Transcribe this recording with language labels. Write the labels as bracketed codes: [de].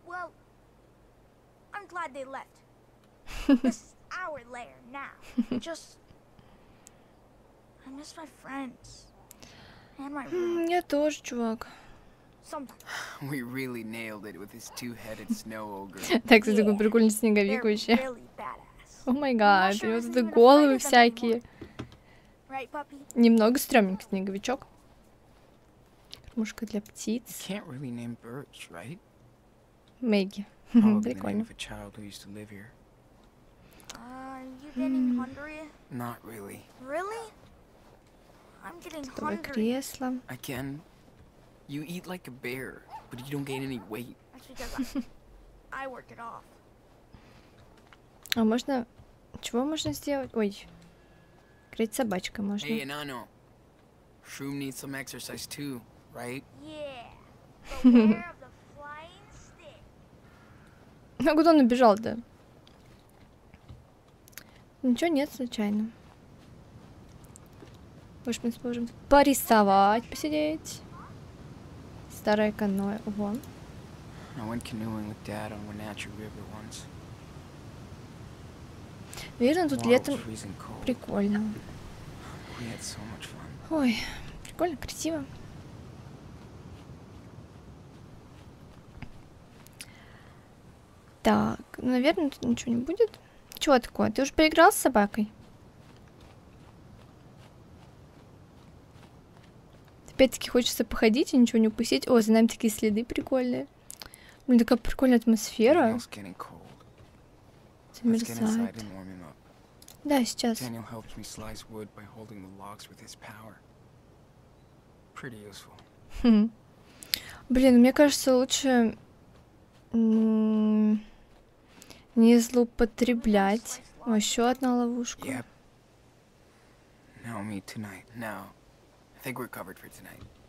[en] Well, I'm glad they left. This is our lair now. Just, I miss my friends and my room. [ru] Я тоже, чувак. [en] We really nailed it with this two-headed snow ogre. [ru] Так, это такой прикольный снеговик вообще. [en] Oh my god, [ru] у него тут головы всякие. Немного стрёмненький снеговичок. Кормушка для птиц. [en] You can't really name birds, right? [ru] Мэгги. Прикольно. [en] Oh, you been in Hungary? Not really. Really? I'm getting hungry. [ru] Кресло. [en] Again? You eat like a bear, but you don't gain any weight. I work it off. [ru] А можно... Чего можно сделать? Ой. Крыть собачкой можно. [en] Hey, Inanno. Shroom needs some exercise too, right? Yeah. Beware of the flying stick. [ru] А куда он убежал-то? Ничего нет, случайно. Может, мы сможем порисовать, посидеть? Старое каноэ. Ого. [en] I went canoeing with Dad on Wenatchee River once. [ru] Видно, тут летом прикольно. [en] We had so much fun. [ru] Ой, прикольно, красиво. Так, наверное, тут ничего не будет. Чего такое? Ты уже поиграл с собакой? Опять-таки хочется походить и ничего не упустить. О, за нами такие следы прикольные. Блин, такая прикольная атмосфера. Замерзает. Да, сейчас. [en] Daniel helped me slice wood by holding the logs with his power. Pretty useful. [ru] Блин, мне кажется, лучше не злоупотреблять. О, еще одна ловушка. [en] Yep. Now me tonight. Now. I think we're covered for tonight.